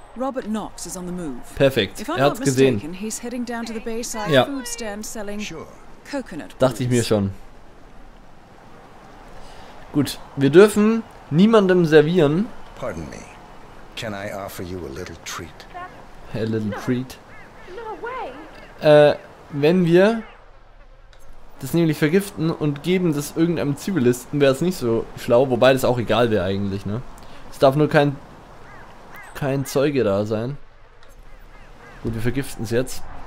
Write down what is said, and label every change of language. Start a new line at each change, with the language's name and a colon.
English: Robert Knox is on the move.
German: Perfekt. Er hat's gesehen.
English: He's heading down to the Bayside food stand selling coconut.
German: Dachte ich mir schon. Gut, wir dürfen niemandem servieren.
English: Pardon me. Can I offer you a little treat? A little treat. No way.
German: Wenn wir das nämlich vergiften und geben das irgendeinem Zivilisten, wäre es nicht so schlau, wobei das auch egal wäre eigentlich, ne? Es darf nur kein Zeuge da sein. Gut, wir vergiften es jetzt.